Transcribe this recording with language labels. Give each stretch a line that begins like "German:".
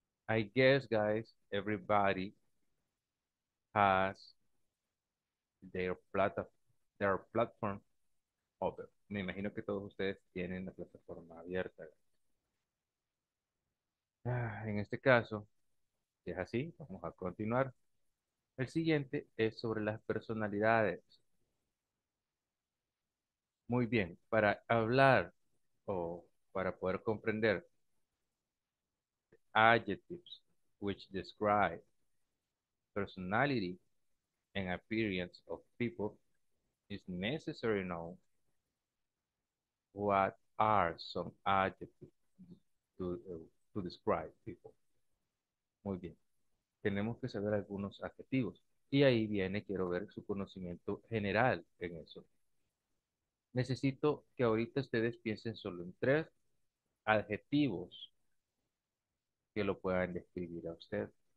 English: I guess, guys, everybody has their platform open.
Spanish: Me imagino que todos ustedes tienen la plataforma abierta. En este caso, si es así, vamos a continuar. El siguiente es sobre las personalidades. Muy bien, para hablar o para poder comprender
English: adjectives which describe personality and appearance of people, it's necessary to know what are some adjectives to describe people.
Spanish: Muy bien. Tenemos que saber algunos adjetivos. Y ahí viene, quiero ver su conocimiento general en eso. Necesito que ahorita ustedes piensen solo en tres adjetivos que lo puedan describir a usted.